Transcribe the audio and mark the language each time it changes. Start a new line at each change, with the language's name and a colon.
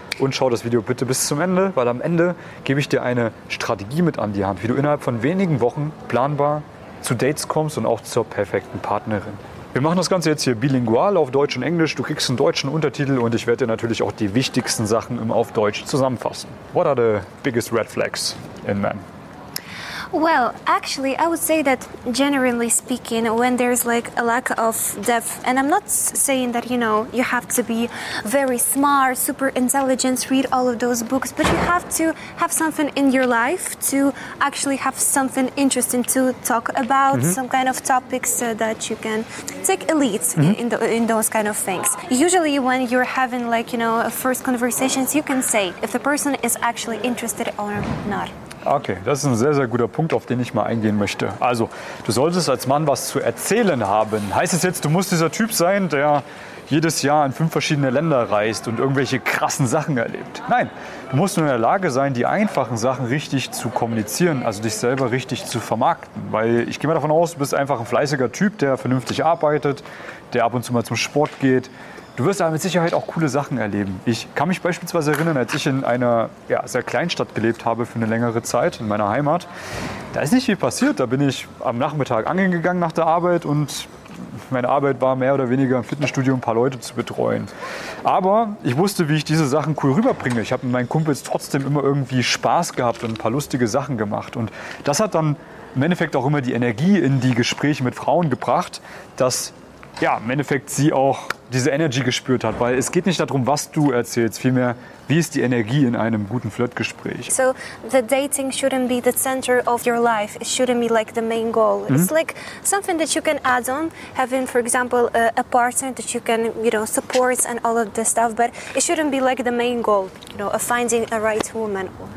German: Und schau das Video bitte bis zum Ende, weil am Ende gebe ich dir eine Strategie mit an die Hand, wie du innerhalb von wenigen Wochen planbar zu Dates kommst und auch zur perfekten Partnerin. Wir machen das Ganze jetzt hier bilingual auf Deutsch und Englisch. Du kriegst einen deutschen Untertitel und ich werde dir natürlich auch die wichtigsten Sachen immer auf Deutsch zusammenfassen.
English: What are the biggest red flags in men? Well, actually, I would say that generally speaking, when there's like a lack of depth, and I'm not saying that, you know, you have to be very smart, super intelligent, read all of those books, but you have to have something in your life to actually have something interesting to talk about, mm-hmm. some kind of topics so that you can take a lead mm-hmm. in those kind of things. Usually when you're having like, you know, first conversations, you can say if the person is actually interested or not.
German: Okay, das ist ein sehr, sehr guter Punkt, auf den ich mal eingehen möchte. Also, du solltest als Mann was zu erzählen haben. Heißt es jetzt, du musst dieser Typ sein, der jedes Jahr in 5 verschiedene Länder reist und irgendwelche krassen Sachen erlebt? Nein, du musst nur in der Lage sein, die einfachen Sachen richtig zu kommunizieren, also dich selber richtig zu vermarkten. Weil ich gehe mal davon aus, du bist einfach ein fleißiger Typ, der vernünftig arbeitet, der ab und zu mal zum Sport geht. Du wirst aber mit Sicherheit auch coole Sachen erleben. Ich kann mich beispielsweise erinnern, als ich in einer sehr kleinen Stadt gelebt habe für eine längere Zeit in meiner Heimat. Da ist nicht viel passiert. Da bin ich am Nachmittag angeln gegangen nach der Arbeit und meine Arbeit war mehr oder weniger im Fitnessstudio ein paar Leute zu betreuen. Aber ich wusste, wie ich diese Sachen cool rüberbringe. Ich habe mit meinen Kumpels trotzdem immer irgendwie Spaß gehabt und ein paar lustige Sachen gemacht. Und das hat dann im Endeffekt auch immer die Energie in die Gespräche mit Frauen gebracht, dass im Endeffekt sie auch diese Energy gespürt hat, weil es geht nicht darum, was du erzählst, vielmehr, wie ist die Energie in einem guten Flirtgespräch.
English: So, the dating shouldn't be the center of your life. It shouldn't be like the main goal. Mhm. It's like something that you can add on, having, for example, a partner that you can, you know, support and all of this stuff, but it shouldn't be like the main goal, you know, of finding a right woman.